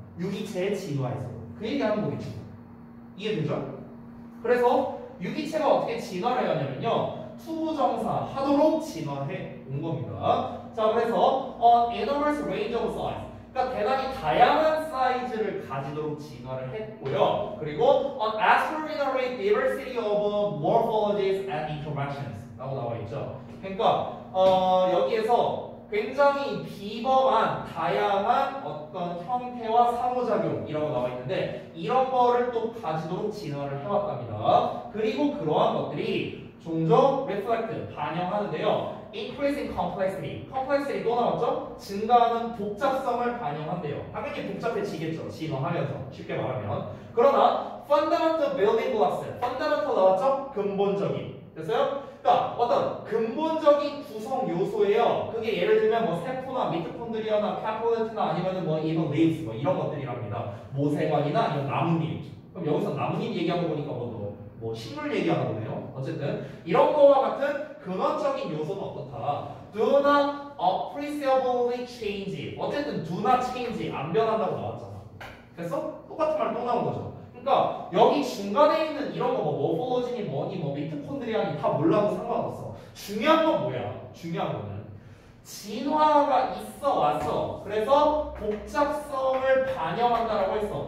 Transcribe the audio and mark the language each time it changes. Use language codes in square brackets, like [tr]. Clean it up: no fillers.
[ko] 유기체의 진화에서. 그 얘기하는 거겠지. 이해되죠? 그래서 유기체가 어떻게 진화를 하냐면요, 투부정사 하도록 진화해 온 겁니다. 자, 그래서 [en] enormous range of size, [ko] 그러니까 대단히 다양한 사이즈를 가지도록 진화를 했고요. 그리고 [en] extraordinary diversity of morphologies and interactions [ko] 라고 나와 있죠. 그러니까 여기에서 굉장히 비범한 다양한 어떤 형태와 상호작용이라고 나와 있는데, 이런 거를 또 가지도록 진화를 해왔답니다. 그리고 그러한 것들이 종종 reflect, 반영하는데요. [en] increasing complexity, complexity [ko] 또 나왔죠? 증가하는 복잡성을 반영한대요. 당연히 복잡해지겠죠. 진화하면서 쉽게 말하면. 그러나 [en] fundamental building blocks, fundamental [ko] 나왔죠? 근본적인. 됐어요? 그러니까 어떤 근본적인 구성 요소예요. 그게 예를 들면 뭐 세포나 미토콘드리아나 카폴레트나 아니면은 뭐 이런 레이스 뭐 이런 것들이랍니다. 모세관이나 이런 나뭇잎. 그럼 여기서 나뭇잎 얘기하고 보니까 뭐 식물 얘기하는 거네요. 어쨌든 이런 거와 같은 근원적인 요소는 어떻다. [en] Do not appreciably change. [ko] 어쨌든 [en] do not change. [ko] 안 변한다고 나왔잖아. 그래서 똑같은 말 또 나온 거죠. 그러니까 여기 중간에 있는 이런 거 뭐 모포로지니 뭐니 뭐 미토콘드리아니 다 몰라도 상관없어. 중요한 건 뭐야? 중요한 거는 진화가 있어 왔어. 그래서 복잡성을 반영한다라고 했어.